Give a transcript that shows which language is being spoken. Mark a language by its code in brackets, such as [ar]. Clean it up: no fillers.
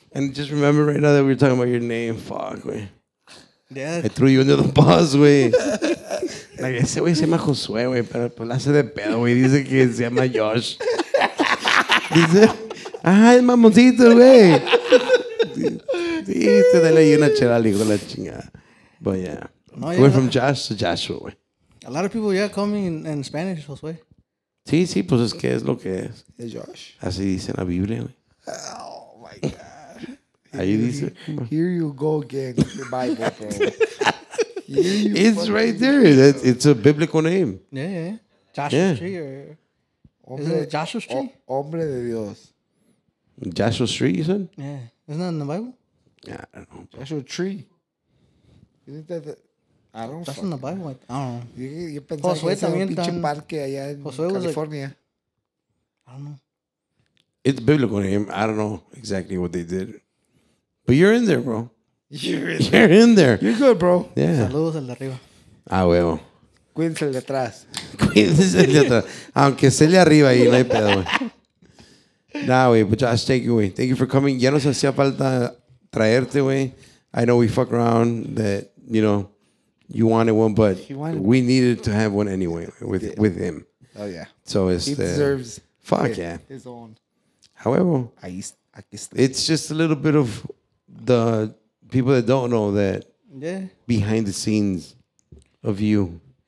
[en] And just remember right now that we were talking about your name. Fuck, güey. Yeah. I threw you under the bus, güey. [es] Like, ese güey se llama Josué, güey, pero pues la hace de pedo, güey. Dice que se llama Josh. Dice, ¡ay, mamoncito, güey! Sí, te da ahí una chela, hijo de la chingada. [en] But yeah. No, yeah. We're from Josh to Joshua, güey. A lot of people, yeah, call me in Spanish, Josué. [es] Sí, pues es que es lo que es. Es Josh. Así dice la Biblia, güey. [en] Oh, my God. [es] Ahí dice. [en] Here you go again, the Bible, bro. It's right there. It's a biblical name. Yeah. Joshua Tree. Is it Joshua Tree? [es] Hombre de Dios. [en] Joshua Tree, you said? Yeah. Isn't that in the Bible? Yeah, I don't know. Joshua Tree. Isn't that the... I don't know. That's in the Bible. I don't know. [es] Yo pensaba que era un pinche parque allá en California. [en] I don't know. It's a biblical name. I don't know exactly what they did. But you're in there, bro. You're in there. You're good, bro. Yeah. [es] Saludos al de arriba. Ah, huevo. Cuídense el de atrás. Cuídense el de atrás. Aunque esté el de arriba ahí, no hay pedo, güey. [en] Nah, güey. But Josh, take it, güey. Thank you for coming. [es] Ya nos hacía falta traerte, güey. [en] I know we fuck around that, you know, you wanted one, but we needed to have one anyway with him. Oh, yeah. So it's he deserves fuck, yeah. His own. However, it's just a little bit of the people that don't know that behind the scenes of you.